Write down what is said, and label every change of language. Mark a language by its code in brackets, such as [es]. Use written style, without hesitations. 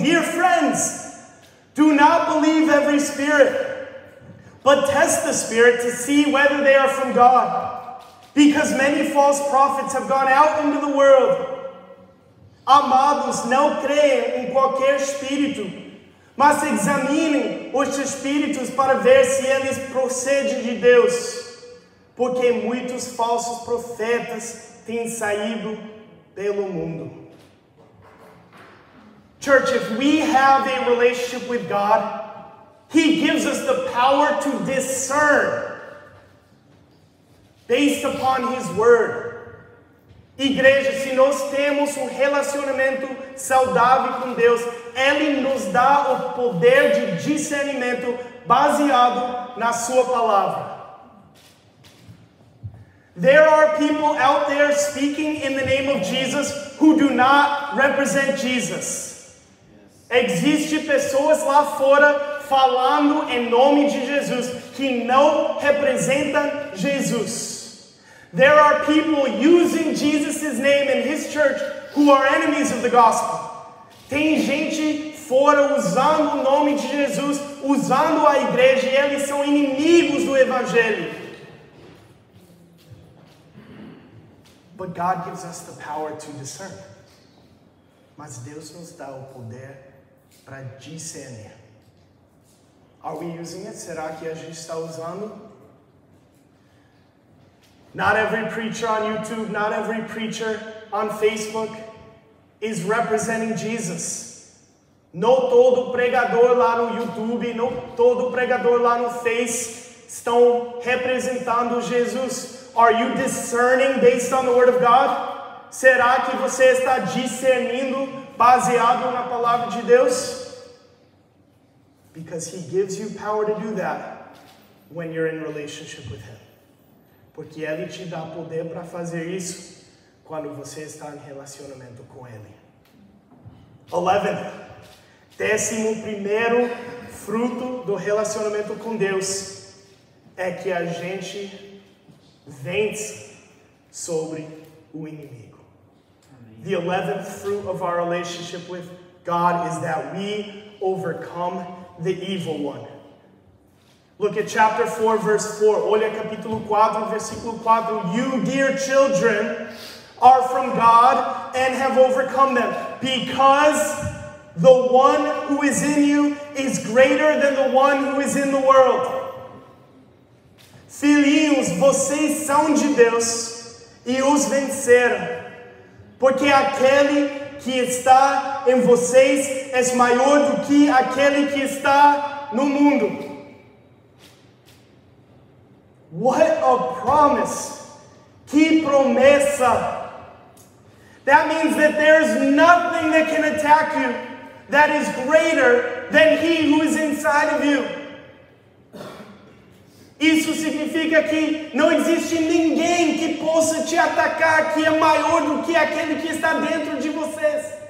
[en] Dear friends, do not believe every spirit, but test the spirit to see whether they are from God. Because many false prophets have gone out into the world. [pt] Amados, não creem em qualquer espírito, mas examinem os espíritos para ver se eles procedem de Deus. Porque muitos falsos profetas têm saído pelo mundo. [en] Church, if we have a relationship with God, He gives us the power to discern based upon His word. [pt] Igreja, se nós temos um relacionamento saudável com Deus, Ele nos dá o poder de discernimento baseado na Sua palavra. [en] There are people out there speaking in the name of Jesus who do not represent Jesus. [pt] Existem pessoas lá fora falando em nome de Jesus que não representam Jesus. [en] There are people using Jesus' name in His church who are enemies of the gospel. [pt] Tem gente fora usando o nome de Jesus, usando a igreja, e eles são inimigos do evangelho. [en] But God gives us the power to discern. [pt] Mas Deus nos dá o poder para discernir. [en] Are we using it? [pt] Será que a gente está usando? [en] Not every preacher on YouTube, not every preacher on Facebook is representing Jesus. [pt] Não todo pregador lá no YouTube, não todo pregador lá no Face estão representando Jesus. [en] Are you discerning based on the Word of God? [pt] Será que você está discernindo baseado na Palavra de Deus? [en] Because He gives you power to do that when you're in relationship with Him. [pt] Porque Ele te dá poder para fazer isso quando você está em relacionamento com Ele. 11. Décimo primeiro fruto do relacionamento com Deus é que a gente vence sobre o inimigo. [en] The 11th fruit of our relationship with God is that we overcome the evil one. Look at chapter 4, verse 4. [pt] Olha capítulo 4, versículo 4. [en] You, dear children, are from God and have overcome them, because the one who is in you is greater than the one who is in the world. [pt] Filhinhos, vocês são de Deus e os venceram, porque aquele que está em vocês é maior do que aquele que está no mundo. [en] What a promise! [pt] Que promessa! [en] That means that there is nothing that can attack you that is greater than He who is inside of you. [pt] Isso significa que não existe ninguém que possa te atacar que é maior do que aquele que está dentro de vocês.